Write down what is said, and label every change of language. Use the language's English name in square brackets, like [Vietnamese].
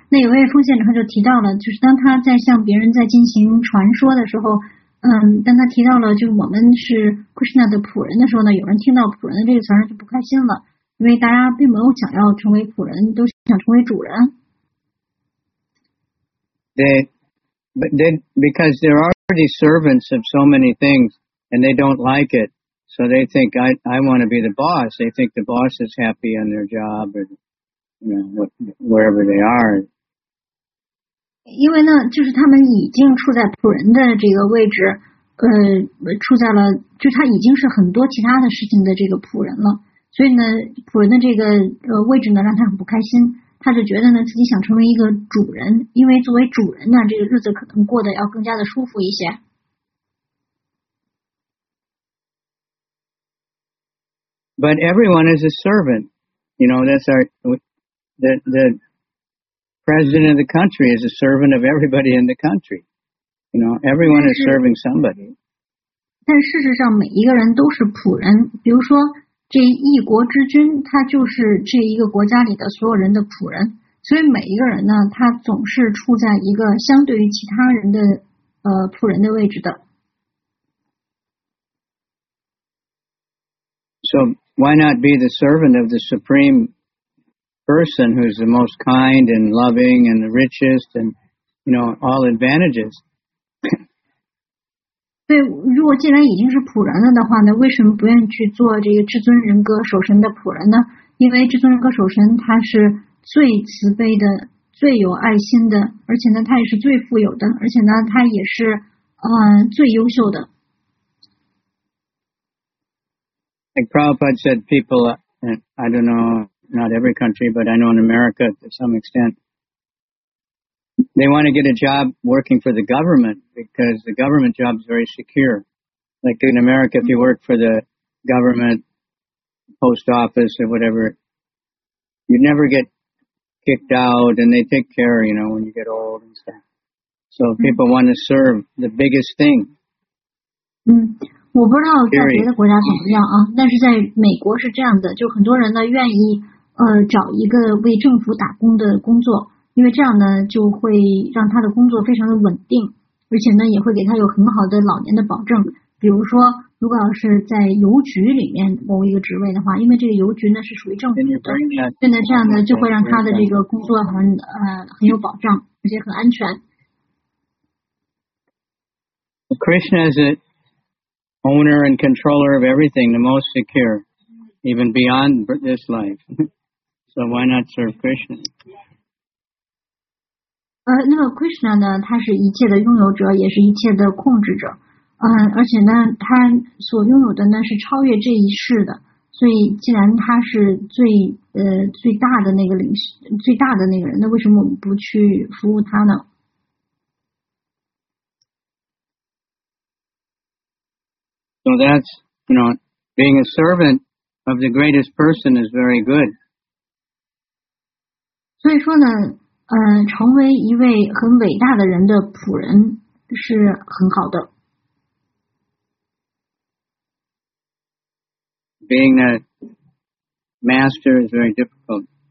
[Chinese] 那有位奉献者他就提到了，就是当他在向别人在进行传说的时候，当他提到了就我们是 Krishna 的仆人的时候呢，有人听到仆人的这个词儿就不开心了，因为大家并没有想要成为仆人，都想成为主人。 [English] Because there are. These servants of so many things and they don't like it so they think I want to be the boss they think the boss is happy on their job or you know wherever they are [Chinese] 因为呢就是他们已经处在仆人的这个位置处在了就他已经是很多其他的事情的这个仆人了所以呢仆人的这个位置呢让他很不开心他就觉得呢自己想成为一个主人，因为作为主人呢这个日子可能过得要更加的舒服一些。 [English] But everyone is a servant. You know, that's our, the president of the country is a servant of everybody in the country. You know, everyone is serving somebody. [Chinese] 但事实上每一个人都是仆人，比如说这一国之君，他就是这一个国家里的所有人的仆人，所以每一个人呢，他总是处在一个相对于其他人的仆人的位置的。 [English] So why not be the servant of the supreme person who's the most kind and loving and the richest and you know all advantages? [Chinese] 对，如果既然已经是仆人了的话呢，为什么不愿意去做这个至尊人格守神的仆人呢？因为至尊人格守神他是最慈悲的，最有爱心的，而且呢他也是最富有的，而且呢他也是最优秀的。 [English] Like Prabhupada said, people, and I don't know, not every country, but I know in America to some extent, they want to get a job working for the government because the government job is very secure. Like in America, if you work for the government, post office or whatever, you never get kicked out and they take care, you know, when you get old and stuff. So people want to serve the biggest thing. [Chinese] 我不知道在别的国家怎么样啊，但是在美国是这样的，就很多人呢愿意找一个为政府打工的工作，因为这样呢就会让他的工作非常的稳定，而且呢也会给他有很好的老年的保证。比如说如果要是在邮局里面某一个职位的话，因为这个邮局呢是属于政府的，所以呢这样呢就会让他的这个工作很有保障，而且很安全。 [English] Krishna is owner and controller of everything, the most secure, even beyond this life. So why not serve Krishna? [Chinese] 那么 Krishna 呢，他是一切的拥有者，也是一切的控制者。而且呢，他所拥有的呢是超越这一世的。所以既然他是最大的那个领袖，最大的那个人，那为什么我们不去服务他呢？ [English] So that's, you know, being a servant of the greatest person is very good. [Chinese] 所以说呢，成为一位很伟大的人的仆人是很好的。 [English] Being a master is very difficult.